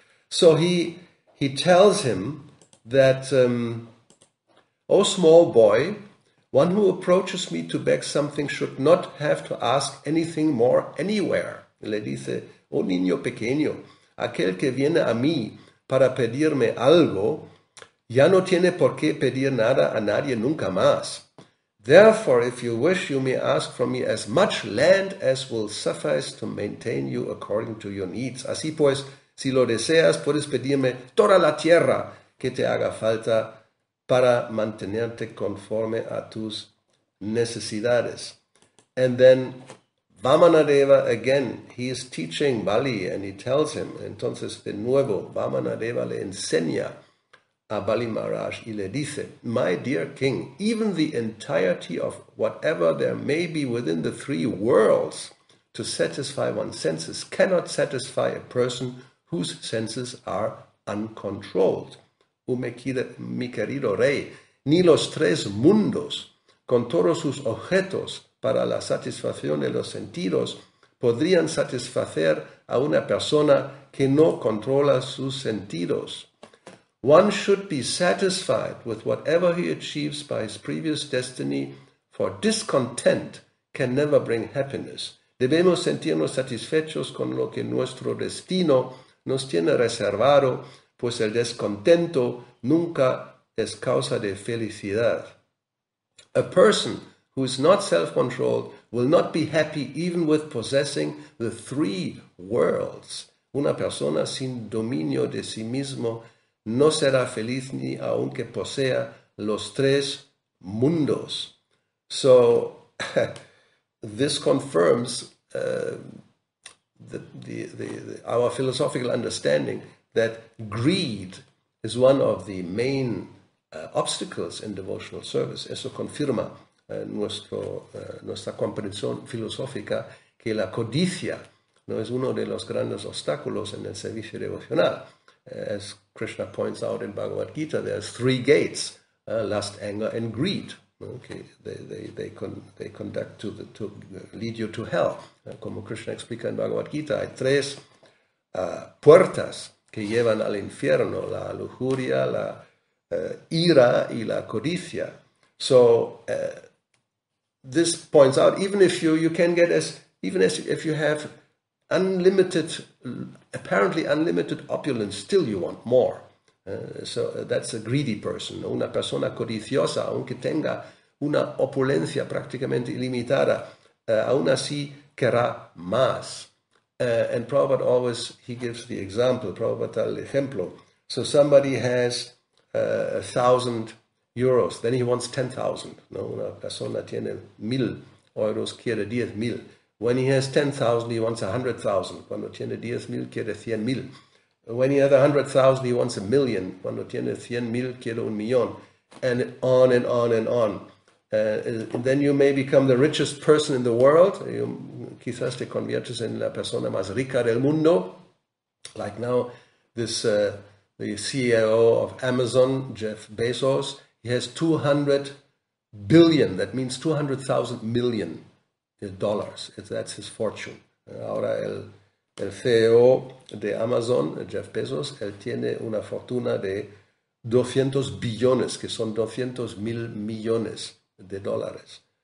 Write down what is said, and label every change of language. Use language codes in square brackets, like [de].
[en] So he tells him that, O small boy, one who approaches me to beg something should not have to ask anything more anywhere. [es] Le dice, O niño pequeño, aquel que viene a mí para pedirme algo, ya no tiene por qué pedir nada a nadie nunca más. [en] Therefore, if you wish, you may ask from me as much land as will suffice to maintain you according to your needs. [es] Así pues, si lo deseas, puedes pedirme toda la tierra que te haga falta para mantenerte conforme a tus necesidades. [en] And then Vamanadeva, again, he is teaching Bali and he tells him, [es] entonces de nuevo, Vamanadeva le enseña a Bali Maharaj y le dice, [en] my dear king, even the entirety of whatever there may be within the three worlds to satisfy one's senses cannot satisfy a person whose senses are uncontrolled. [es] Mi querido rey, ni los tres mundos con todos sus objetos para la satisfacción de los sentidos podrían satisfacer a una persona que no controla sus sentidos. [en] One should be satisfied with whatever he achieves by his previous destiny, for discontent can never bring happiness. [es] Debemos sentirnos satisfechos con lo que nuestro destino nos tiene reservado, pues el descontento nunca es causa de felicidad. [en] A person who is not self-controlled will not be happy even with possessing the three worlds. [es] Una persona sin dominio de sí mismo no será feliz ni aunque posea los tres mundos. [en] So, this confirms our philosophical understanding that greed is one of the main obstacles in devotional service. [es] Eso confirma nuestra comprensión filosófica que la codicia no es uno de los grandes obstáculos en el servicio devocional. [en] As Krishna points out in Bhagavad Gita, there are three gates, lust, anger, and greed. Okay, they conduct to lead you to hell. [es] Como Krishna explica en Bhagavad Gita, hay tres puertas que llevan al infierno, la lujuria, la ira y la codicia. [en] So this points out, even if you can get as, even as if you have unlimited, apparently unlimited opulence, still you want more. So that's a greedy person. [es] Una persona codiciosa, aunque tenga una opulencia prácticamente ilimitada, aún así querrá más. [en] And Prabhupada always, he gives the example, Prabhupada [es] tal ejemplo. [en] So somebody has 1,000 euros, then he wants 10,000. [es] No, una persona tiene 1,000 euros, quiere 10,000. [en] When he has 10,000, he wants 100,000. [es] Cuando tiene 10,000, quiere 100,000. [en] When he has 100,000, he wants 1,000,000. [es] Cuando tiene 100,000, quiere 1,000,000. [en] And on and on and on. And then you may become the richest person in the world. [es] You, quizás te conviertes en la persona más rica del mundo. [en] Like now, this the CEO of Amazon, Jeff Bezos, he has 200 billion. That means 200,000 million dollars. That's his fortune. [es] Ahora el CEO de Amazon, Jeff Bezos, él tiene una fortuna de 200 billones, que son 200 mil millones de dólares.